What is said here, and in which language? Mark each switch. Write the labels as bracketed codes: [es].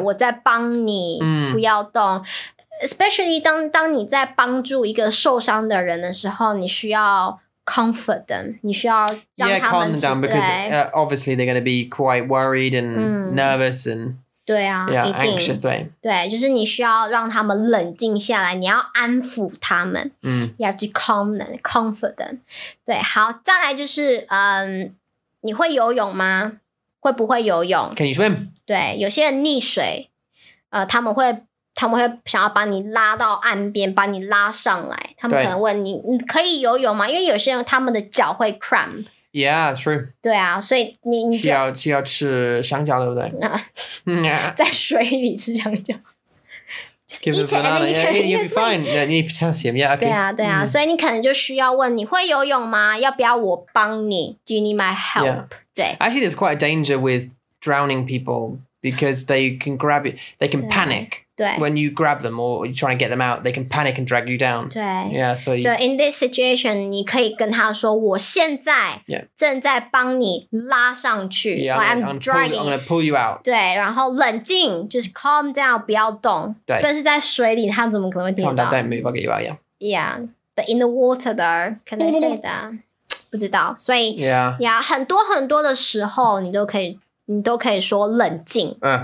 [zh] 我在帮你， mm. 不要动。 [en] Especially [zh] 当你在帮助一个受伤的人的时候，你需要 [en] comfort them， [zh] 你需要让他们 [en] Yeah, calm them down because、obviously they're going to be quite worried and、nervous and [zh] 对啊 [en] yeah, anxious [zh] 对对，就是你需要让他们冷静下来，你要安抚他们。嗯、 [en] you have to calm them, comfort them。 [zh] 对，好，再来就是你会游泳吗？会不会游泳 [en] ？Can you swim？ [zh] 对，有些人溺水，他们会。他们会想要把你拉到岸边，把你拉上来。他们可能问你：“你可以游泳吗？”因为有些人他们的脚会 cramp。 [en] Yeah, true. [zh] 对啊，所以你需要吃香蕉，对不对？在水里吃香蕉。 [en] Give them banana. Yeah, you'll be fine. Yeah, you need potassium. Yeah, okay. [zh] 对啊，对啊，所以你可能就需要问：“你会游泳吗？要不要我帮你 [en] ？”Do you need my help? Yeah. [zh] 对。 [en] Actually, there's quite a danger with drowning people because they can grab it. They can panic. When you grab them or you're trying to get them out, they can panic and drag you down. [zh] 对 [en] yeah, so in this situation, [zh] 你可以跟他说我现在正在帮你拉上去 [en] yeah, like, I'm going to pull you out. [zh] 对然后冷静 [en] just calm down, [zh] 不要动对但是在水里他怎么可能会听到 [en] Calm down, don't move, I'll get you out, yeah. Yeah, but in the water though, can I say that? [zh] 不知道所以 [en] yeah, [zh] 很多很多的时候你都可以说冷静。